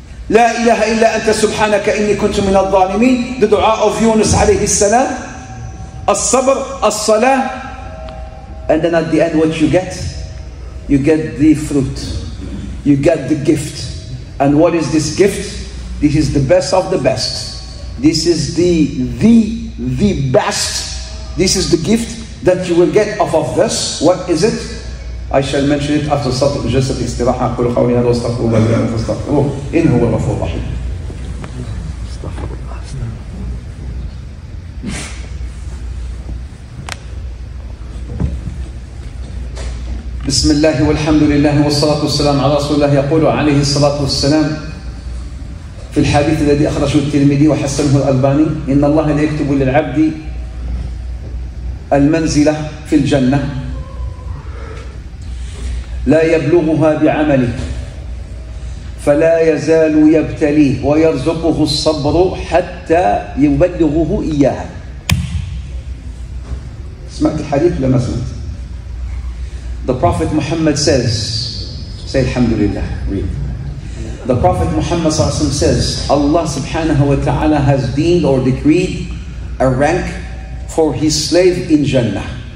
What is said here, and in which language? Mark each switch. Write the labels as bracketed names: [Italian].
[Arabic] لا إله إلا أنت سبحانك إني كنت من الظالمين. [English] The dua of Yunus عليه السلام. [Arabic] الصبر, الصلاة. [English] And then at the end, what you get? You get the fruit. You get the gift. And what is this gift? This is the best of the best. This is the best. This is the gift that you will get off of this. What is it? I shall mention it after [Arabic] صلاة جلسة الاستراحة. أقول قولي هذا واستغفر الله لي ولكم فاستغفروه إنه هو الغفور الرحيم. بسم الله والحمد لله والصلاة والسلام على رسول الله. يقول عليه الصلاة والسلام في الحديث الذي أخرجه الترمذي وحسنه الألباني: إن الله لا يكتب للعبد المنزلة في الجنة لا يبلغها بعمله فلا يزال يبتليه ويرزقه الصبر حتى يبلغه إياها. سمعت الحديث لما سمعت؟ [English] The Prophet Muhammad says, say Alhamdulillah, read. The Prophet Muhammad says, Allah subhanahu wa ta'ala has deemed or decreed a rank for his slave in Jannah.